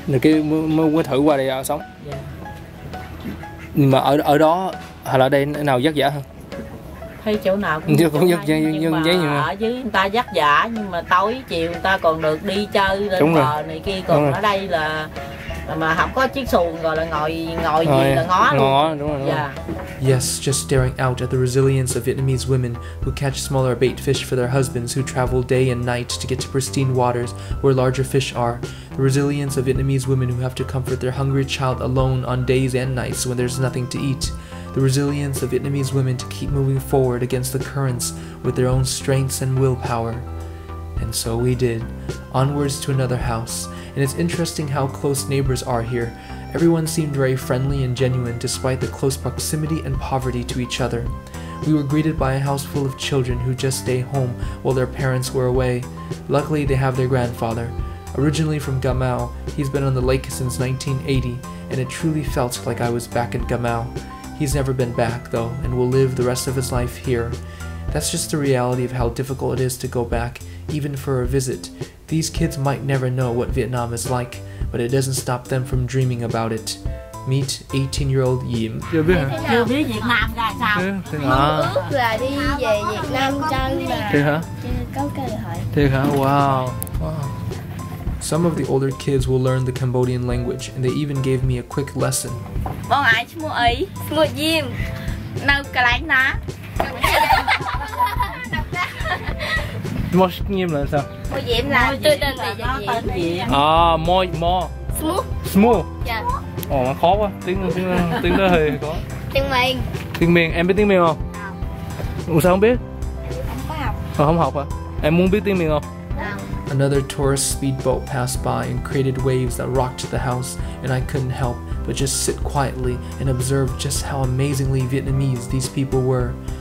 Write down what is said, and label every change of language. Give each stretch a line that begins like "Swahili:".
Vietnamese: rồi cái mới thử qua đây sống. Nhưng mà ở đó hay là ở đây nào vất vả hơn? Thấy chỗ nào cũng vất vả. Nhưng mà ở dưới người ta vất vả nhưng mà tối chiều người ta còn được đi chơi lên đúng bờ rồi. Này kia còn đúng rồi. Đây là mà không có chiếc xuồng rồi là ngồi gì rồi, là ngó luôn. Ngó đúng rồi. Dạ.
English: Yes, just staring out at the resilience of Vietnamese women who catch smaller bait fish for their husbands who travel day and night to get to pristine waters where larger fish are. The resilience of Vietnamese women who have to comfort their hungry child alone on days and nights when there's nothing to eat. The resilience of Vietnamese women to keep moving forward against the currents with their own strengths and willpower. And so we did. Onwards to another house. And it's interesting how close neighbors are here. Everyone seemed very friendly and genuine despite the close proximity and poverty to each other. We were greeted by a house full of children who just stay home while their parents were away. Luckily, they have their grandfather. Originally from Gamau, he's been on the lake since 1980, and it truly felt like I was back in Gamau. He's never been back, though, and will live the rest of his life here. That's just the reality of how difficult it is to go back, even for a visit. These kids might never know what Vietnam is like, but it doesn't stop them from dreaming about it. Meet 18-year-old Yim.
Vietnamese: Chưa biết hả? Chưa biết Việt Nam là sao? Thiệt hả? Mong ước là đi về Việt Nam chân mà. Thiệt hả? Thiệt hả? Wow.
English: Some of the older kids will learn the Cambodian language, and they even gave me a quick lesson.
Khmer: Bọn ai chứ mua ấy? Mua Yim. Nào cả lãnh ná.
Vietnamese: Mua Yim là sao? Mua Yim là tôi tên là Yim. À, mua, mua.
English: Smooth. Smooth.
Vietnamese: Dạ. Ồ, nó khó quá, tiếng đó thì khó. Tiếng miền. Tiếng miền, em biết tiếng miền không? Không. Ủa sao không biết? Không học. Không học hả? Em muốn biết tiếng miền không?
English: Another tourist speedboat passed by and created waves that rocked the house, and I couldn't help but just sit quietly and observe just how amazingly Vietnamese these people were.